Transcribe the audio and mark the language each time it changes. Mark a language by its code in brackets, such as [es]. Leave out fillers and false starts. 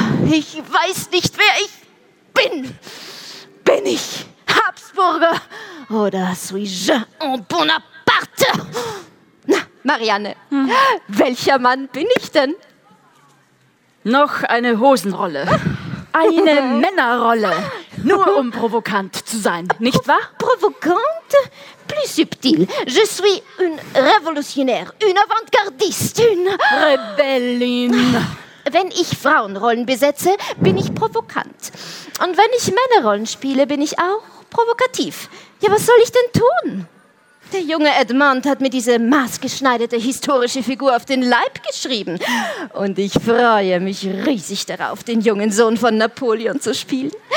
[de] Ich weiß nicht, wer ich bin. Bin ich Habsburger oder [fr] suis-je un Bonaparte? [de] Na, Marianne, welcher Mann bin ich denn? Noch eine Hosenrolle. Eine Männerrolle. Nur um provokant zu sein, nicht wahr? Provokant? [fr] Plus subtil. Je suis une révolutionnaire, une avant-gardiste, une [de] Rebellin. Wenn ich Frauenrollen besetze, bin ich provokant. Und wenn ich Männerrollen spiele, bin ich auch provokativ. Ja, was soll ich denn tun? Der junge Edmond hat mir diese maßgeschneiderte historische Figur auf den Leib geschrieben. Und ich freue mich riesig darauf, den jungen Sohn von Napoleon zu spielen.